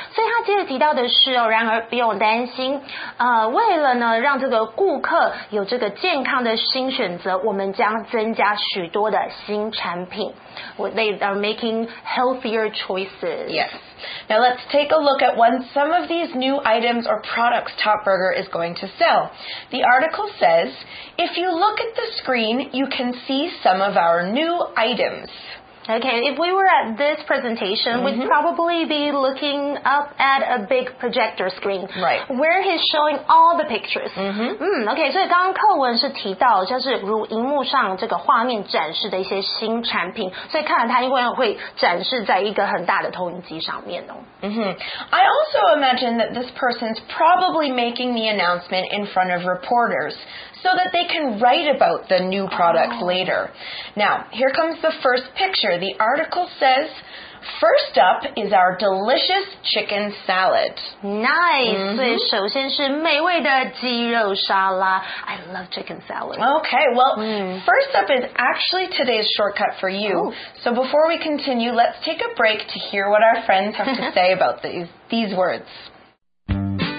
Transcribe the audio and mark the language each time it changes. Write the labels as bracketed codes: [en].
[zh] 所以他接着提到的是哦，然而不用担心。为了呢让这个顾客有这个健康的新选择，我们将增加许多的新产品。 [en] They are making healthier choices. Yes. Now let's take a look at what some of these new items or products Top Burger is going to sell. The article says, if you look at the screen, you can see some of our new items. Okay, if we were at this presentation,、mm-hmm. we'd probably be looking up at a big projector screen. Right. Where he's showing all the pictures. Mm-hmm. [zh] Mm, okay, 所以刚刚课文是提到像是如荧幕上这个画面展示的一些新产品，所以看来它应该会展示在一个很大的投影机上面哦。 [en] Mm-hmm. I also imagine that this person's probably making the announcement in front of reporters so that they can write about the new products、oh. later. Now, here comes the first picture. The article says... First up is our delicious chicken salad. Nice!、Mm-hmm. [zh] 所以首先是美味的鸡肉沙拉。 [en] I love chicken salad. Okay, well,、mm. first up is actually today's shortcut for you.、 Ooh. So before we continue, let's take a break to hear what our friends have to say about these words.